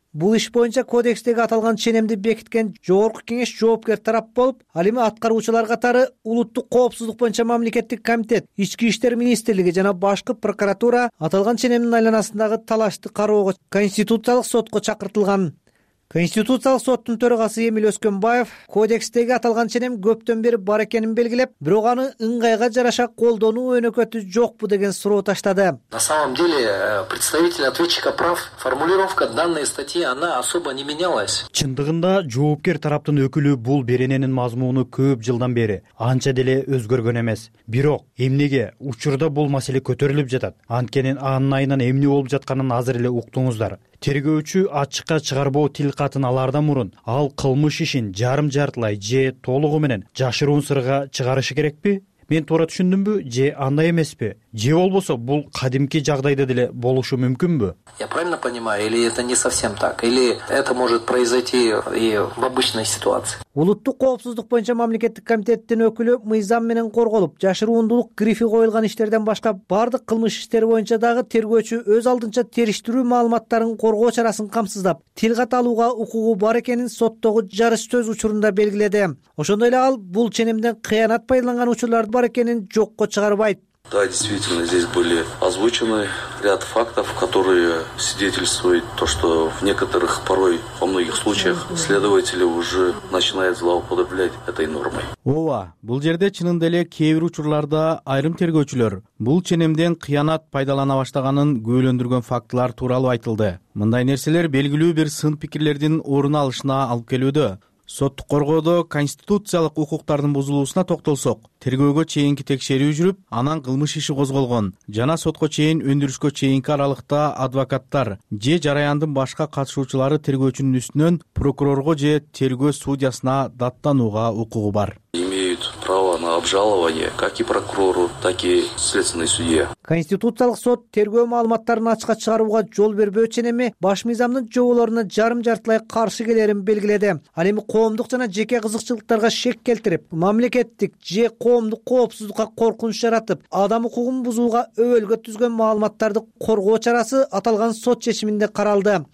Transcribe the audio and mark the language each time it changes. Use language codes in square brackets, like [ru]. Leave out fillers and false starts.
[ky] Бул иш боюнча кодекстеги аталган ченемди бекиткен жогорку кеңеш жоопкер тарап болуп, ал эми аткаруучулар катары улуттук коопсуздук боюнча мамлекеттик комитет, ички иштер министрлиги жана башкы прокуратура аталган ченемдин айланасындагы талашты кароого конституциялык сотко чакыртылган. Конституциялык соттун төрагасы Эмиль Өскөнбаев кодекстеги аталган ченем көптөн бери бар экенин белгилеп, бирок аны ыңгайга жараша колдонуу өнөкөтү жокпу деген суроо таштады. [ru] На самом деле представитель ответчика прав, формулировка данной статьи она особо не менялась. [ky] Чындыгында жоопкер тараптын өкүлү бул беренесинин мазмуну көп жылдан бери анча деле өзгөргөн эмес. Бирок эмнеге учурда бул маселе көтөрүлүп жатат? Анткени анын айынан эмне болуп жатканын азыр эле уктуңуздар. Тергөөчү ачыкка чыгарбоо тил катын алардан мурун ал кылмыш ишин жарым жартылай же толугу менен жашыруун сырга чыгарышы керекпи? Мен туура түшүндүмбү же андай эмеспи? Же болбосо бул кадимки жагдайда деле болушу мүмкүнбү? [ru] Я правильно понимаю, или это не совсем так, или это может произойти и в обычной ситуации? [ky] Улуттук коопсуздук боюнча мамлекеттик комитеттин өкүлү мыйзам менен корголуп, жашыруундук грифи коюлган иштерден башка бардык кылмыш иштери боюнча дагы тергөөчү өз алдынча териштирүү маалыматтарын коргоо чарасын камсыздап, тил кат алууга укугу бар экенин соттогу жарыш сөз учурунда белгиледи. Ошондой эле ал бул ченемден кыянат пайдаланган учурлар бар экенин жокко чыгарбайт. [ru] Да, действительно, здесь были озвучены ряд фактов, которые свидетельствуют то, что в некоторых, порой, во многих случаях, следователи уже начинают злоупотреблять этой нормой. [ky] Ооба, бул жерде чынында эле кээ бир учурларда айрым тергөөчүлөр бул ченемден кыянат пайдалана баштаганын күбөлөндүргөн фактылар тууралуу айтылды. Мындай нерселер белгилүү бир сын пикирлердин орун алышына алып келүүдө. Соттук коргоодо конституциялык укуктардын бузулуусуна токтолсок, тергөөгө чейинки текшерүү жүрүп, анан кылмыш иши козголгон жана сотко чейин өндүрүшкө чейинки аралыкта адвокаттар же жараяндын башка катышуучулары тергөөчүнүн үстүнөн прокурорго же тергөө судьясына даттанууга укугу бар. [ru] Право на обжалование как и прокурору, так и следственной судье. [ky] Конституциялык сот тергөө маалыматтарын ачыкка чыгарууга жол бербөө ченеми баш мыйзамдын жоболоруна жарым-жартылай каршы келерин белгиледи. Ал эми коомдук жана жеке кызыкчылыктарга шек келтирип, мамлекеттик же коомдук коопсуздукка коркунуч жаратып, адам укугун бузууга өбөлгө түзгөн маалыматтарды коргоо чарасы аталган сот чечиминде каралды.